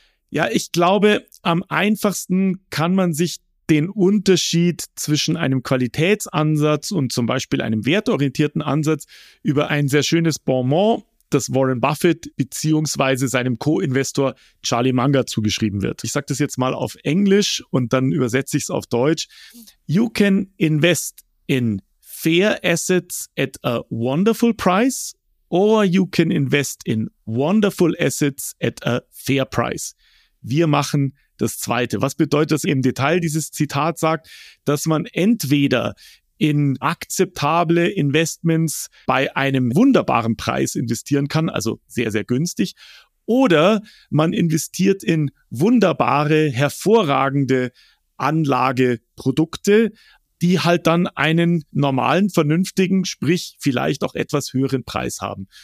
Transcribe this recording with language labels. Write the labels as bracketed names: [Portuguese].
[German] Ja, ich glaube, am einfachsten kann man sich den Unterschied zwischen einem Qualitätsansatz und zum Beispiel einem wertorientierten Ansatz über ein sehr schönes Bonmot, das Warren Buffett beziehungsweise seinem Co-Investor Charlie Munger zugeschrieben wird. Ich sage das jetzt mal auf Englisch und dann übersetze ich es auf Deutsch. [English] You can invest in fair assets at a wonderful price or you can invest in wonderful assets at a fair price. [German] Wir machen das Zweite. Was bedeutet das im Detail? Dieses Zitat sagt, dass man entweder in akzeptable Investments bei einem wunderbaren Preis investieren kann, also sehr, sehr günstig, oder man investiert in wunderbare, hervorragende Anlageprodukte, die halt dann einen normalen, vernünftigen, sprich vielleicht auch etwas höheren Preis haben.